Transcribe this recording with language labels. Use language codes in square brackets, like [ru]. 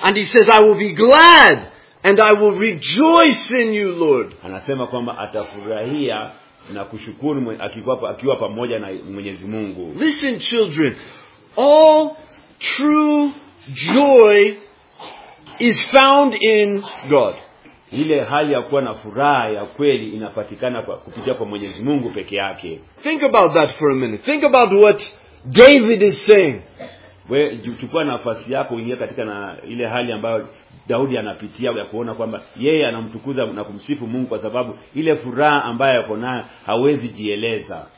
[en] And he says, I will be glad and I will rejoice in you, Lord. [sw] Anasema kwamba atafurahia na kushukuru akiwa pamoja na Mwenyezi Mungu. [en] Listen children, all true joy is found in God. [sw] Ile hali ya kuwa na furaha ya kweli inapatikana kwa kupitia kwa Mwenyezi Mungu peke yake. [en] Think about that for a minute. Think about what David is saying. [sw] Wewe chukua nafasi yako uingie katika na ile hali ambayo Daudi anapitia ya kuona kwamba yeye anamtukuza na kumsifu Mungu kwa sababu ile furaha ambayo yuko nayo hawezi jieleza.